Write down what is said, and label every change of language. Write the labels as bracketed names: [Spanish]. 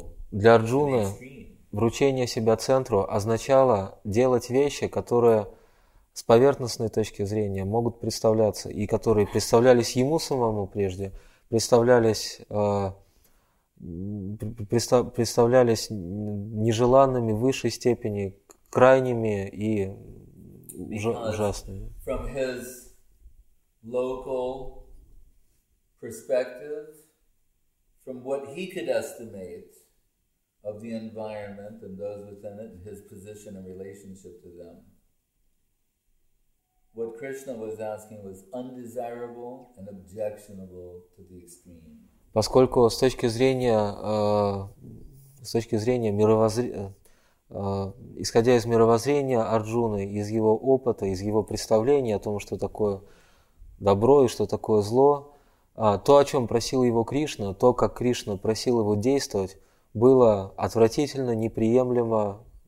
[Russian] Для Арджуны вручение себя центру означало делать вещи, которые с поверхностной точки зрения могут представляться, и которые представлялись ему самому прежде, представлялись нежеланными в высшей степени, крайними и ужасными. [English] From his local perspective, from what he could estimate of the environment and those within it, his position and relationship to them, what Krishna was asking was undesirable and objectionable to the extreme. [Russian] Поскольку с точки зрения исходя из мировоззрения Арджуны, из его опыта, из его представления о том, что такое добро и что такое зло, то, о чем просил его Кришна, то, как Кришна просил его действовать, было отвратительно, неприемлемо.